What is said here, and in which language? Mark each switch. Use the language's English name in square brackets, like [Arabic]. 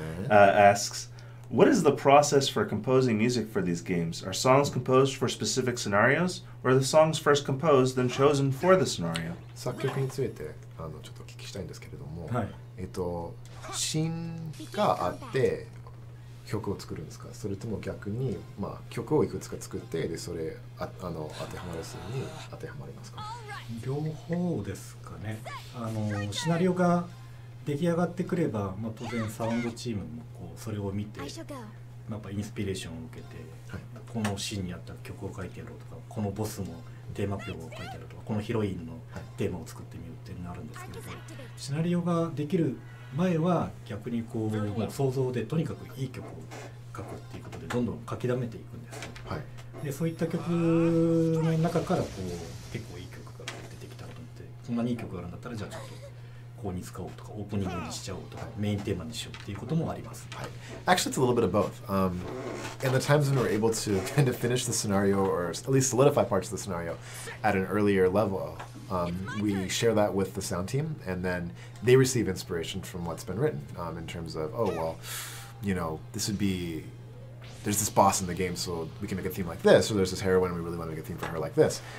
[English] asks, what is the process for composing music for these games? Are songs composed for specific scenarios, or are the songs first composed then chosen for the scenario? [Japanese] 作曲についてあのちょっとお聞きしたいんですけれども、はい、シーンがあって曲を作るんですか、それとも逆に、まあ、曲をいくつか作ってでそれああの当てはまるシーンに当てはまりますか。両方ですかね。あのシナリオが出来上がってくれば、まあ、当然サウンドチームもこうそれを見て、まあ、やっぱインスピレーションを受けて、はい、このシーンにあった曲を書いてやろうとか、このボスのテーマ曲を書いてやろうとか、このヒロインのテーマを作ってみようってなるんですけど、シナリオができる前は逆にこう、まあ、想像でとにかくいい曲を書くっていうことでどんどん書き溜めていくんです、はい、でそういった曲の中からこう結構いい曲が出てきたと思って、こんなにいい曲があるんだったらじゃあちょっとここに使おうとか、オープニングにしちゃおうとか、メインテーマにしようっていうこともあります。 [English] はい。Actually, it's a little bit of both. And the times when we were able to kind of finish the scenario or at least solidify parts of the scenario at an earlier level, we share that with the sound team and then they receive inspiration from what's been written, in terms of, oh, well, you know, this would be, there's this boss in the game, so we can make a theme like this, or there's this heroine, we really want to make a theme for her like this.